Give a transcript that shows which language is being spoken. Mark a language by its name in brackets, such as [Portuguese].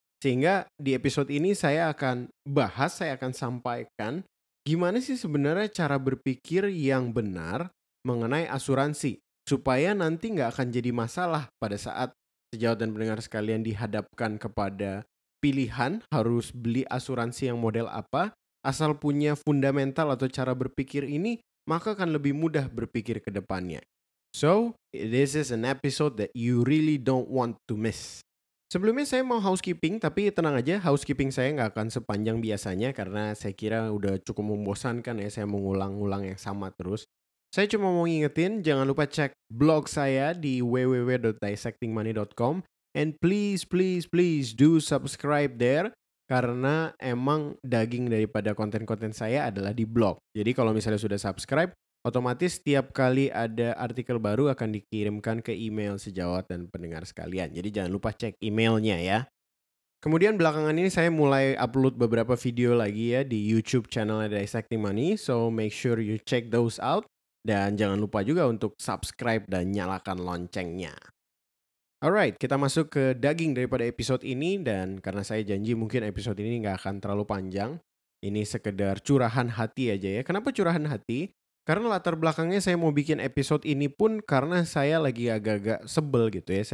[Indonesian] Sehingga di episode ini saya akan bahas, saya akan sampaikan gimana sih sebenarnya cara berpikir yang benar mengenai asuransi supaya nanti nggak akan jadi masalah pada saat sejawat dan pendengar sekalian dihadapkan kepada pilihan harus beli asuransi yang model apa. Asal punya fundamental atau cara berpikir ini, maka akan lebih mudah berpikir ke depannya. [English] So, this is an episode that you really don't want to miss. [Indonesian] Sebelumnya saya mau housekeeping, tapi tenang aja, housekeeping saya nggak akan sepanjang biasanya karena saya kira udah cukup membosankan ya, saya mengulang-ulang yang sama terus. Saya cuma mau ngingetin, jangan lupa cek blog saya di www.dissectingmoney.com [English] and please, please, please do subscribe there. [Indonesian] Karena emang daging daripada konten-konten saya adalah di blog. Jadi kalau misalnya sudah subscribe, otomatis setiap kali ada artikel baru akan dikirimkan ke email sejawat dan pendengar sekalian. Jadi jangan lupa cek emailnya ya. Kemudian belakangan ini saya mulai upload beberapa video lagi ya di YouTube channelnya Dissecting Money. [English] So make sure you check those out. [Indonesian] Dan jangan lupa juga untuk subscribe dan nyalakan loncengnya. Alright, kita masuk ke daging daripada episode ini dan karena saya janji mungkin episode ini nggak akan terlalu panjang. Ini sekedar curahan hati aja ya. Kenapa curahan hati? Karena latar belakangnya saya mau bikin episode ini pun karena saya lagi agak-agak sebel gitu ya.